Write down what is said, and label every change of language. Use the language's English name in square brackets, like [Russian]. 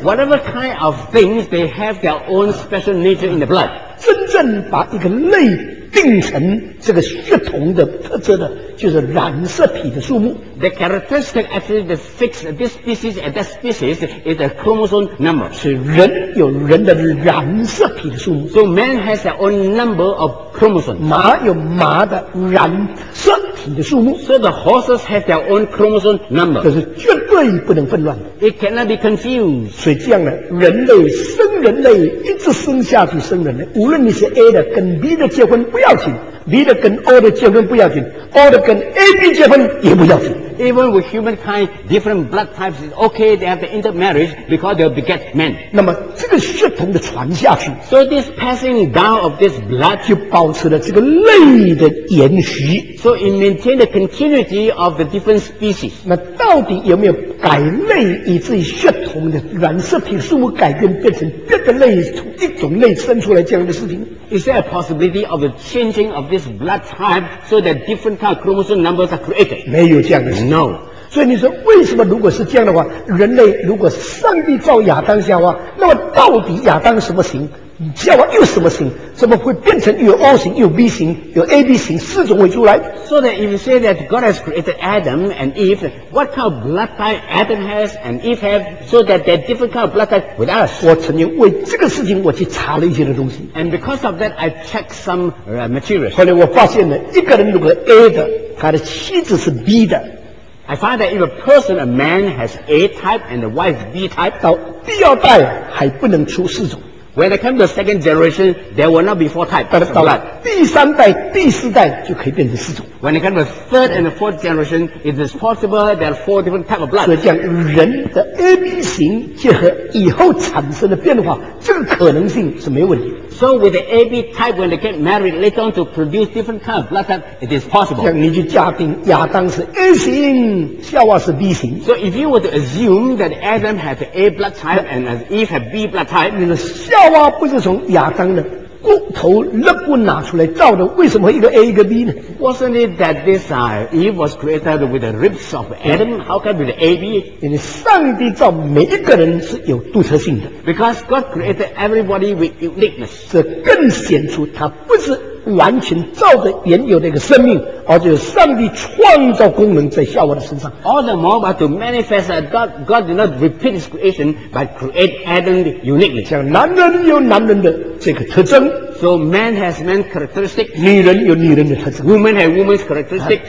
[English] Whatever kind of things they have their own special nature in the blood [Chinese] 真正把一个类定成这个血统的特质的就是染色体的数目 [English] The characteristic actually that fixes this species and that species is the chromosome number [Chinese] 是人有人的染色体的数目 [English] So man has their own number of chromosomes [Chinese] 马有马的染色体的数目 [English] So the horses have their own chromosome number [Chinese] 可是绝对不能混乱 [English] It cannot be confused [Chinese] 所以这样呢人类生人类一直生下去生人类无论你是 A 的跟 B 的结婚不要紧离了跟恶的结婚不要紧，恶的跟 AB 结婚也不要紧。 [English] Even with humankind, different blood types is okay. They have the intermarriage because they'll beget men. [Chinese] 那么这个血统的传下去 [English] ，so this passing down of this blood [Chinese] 就保持了这个类的延续。 [English] So it maintained the continuity of the different species. [Chinese] 那到底有没有改类，以至于血统的染色体是否改变，变成别的类，从一种类生出来这样的事情？ [English] Is there a possibility of the changing of this blood type so that different kind of chromosome numbers are created? [Chinese] 没有这样的事。 [English] No. [Chinese] 所以你说为什么如果是这样的话，人类如果上帝造亚当夏娃，那么到底亚当什么型，夏娃又什么型，怎么会变成有 O 型有 B 型有 AB 型四种会出来？ [English] So that if you say that God has created Adam and Eve, what kind of blood type Adam has and Eve have so that they're different kind of blood type with us? [Chinese] 我曾经为这个事情我去查了一些的东西。 [English] And because of that I checked some materials. [Chinese] 后来我发现了一个人如果 A 的，他的妻子是 B 的。 [English] I find that if a person, a man has A type and a wife B type, [Chinese] 到第二代还不能出四种。 [English] When it comes to the second generation, there will not be four types. [Chinese] 但是到了第三代、第四代就可以变成四种。 [English] When it comes to the third and the fourth generation, it is possible there are four different types of blood. [Chinese] 所以这样人的 AB 型结合以后产生的变化，这个可能性是没问题。 [English] So with the AB type, when they get married later on to produce different kind of blood type, it is possible. [Chinese] 像你就假定亚当是 A 型，夏娃是 B 型。 [English] So if you were to assume that Adam had the A blood type and Eve had B blood type, [Chinese] 那个夏娃不是从亚当的骨头肋骨拿出来造的，为什么一个 A 一个 B 呢？ [English] Wasn't it that this Eve was created with the ribs of Adam? How can it be the AB? [Chinese] 因为上帝造每一个人是有独特性的。 [English] Because God created everybody with uniqueness. [Chinese] 这更显出他不是完全照着原有的一个生命，而是上帝创造功能在夏娃的身上。 [English] All the more but to manifest that God did not repeat his creation but create Adam's uniqueness. [Chinese] 像男人有男人的这个特征， [English] So man has man's characteristics. [Chinese] 女人有女人的特征， [English] Woman has woman's characteristics.